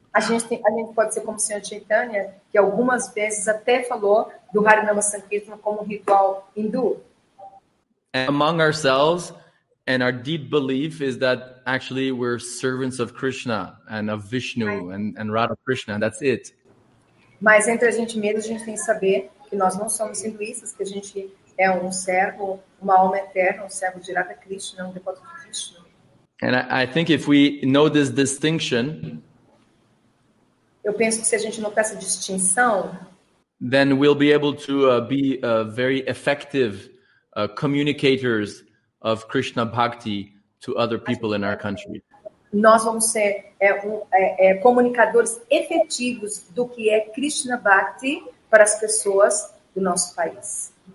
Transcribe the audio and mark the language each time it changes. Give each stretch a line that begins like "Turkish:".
Portuguese: A gente pode ser como o Senhor Chaitanya, que algumas vezes até falou do Harinam Sankirtan como um ritual hindu.
English: And among ourselves, and our deep belief is that actually we're servants of Krishna and of Vishnu and Radha Krishna, that's it.
Portuguese: Mas entre a gente mesmo, a gente tem que saber que nós não somos hinduístas, que a gente é um servo, uma alma eterna, um servo de Radha Krishna, um devoto de Krishna.
English: And I think if we know this distinction,
Portuguese: eu penso que se a gente notar essa distinção,
English: then we'll be able to be very effective communicators of Krishna bhakti to other people in our country.
Portuguese: Nós vamos ser comunicadores efetivos do que é Krishna Bhakti para as pessoas do nosso país.